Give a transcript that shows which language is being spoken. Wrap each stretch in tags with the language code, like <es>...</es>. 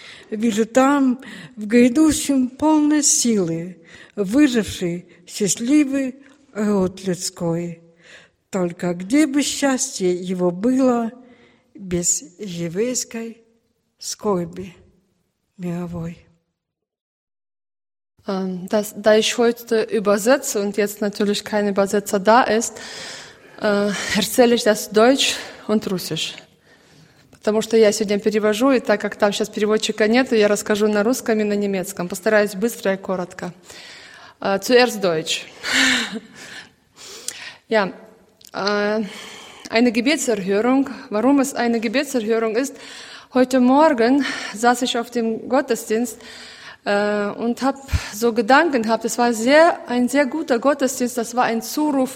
<ru>Вижу там в грядущем полной силы выживший счастливый род людской. Только где бы счастье его было без еврейской скорби мировой?</ru> <de>Da ich heute übersetze und jetzt natürlich kein Übersetzer da ist, erzähle ich das Deutsch und Russisch.</de> <ru>Потому что я сегодня перевожу, и так как там сейчас переводчика нет, я расскажу на русском и на немецком. Постараюсь быстро и коротко.</ru> <de>Zuerst Deutsch. Ja, eine Gebetserhörung. Warum es eine Gebetserhörung ist? Heute Morgen saß ich auf dem Gottesdienst und habe so Gedanken gehabt. Es war sehr ein sehr guter Gottesdienst, das war ein Zuruf.</de>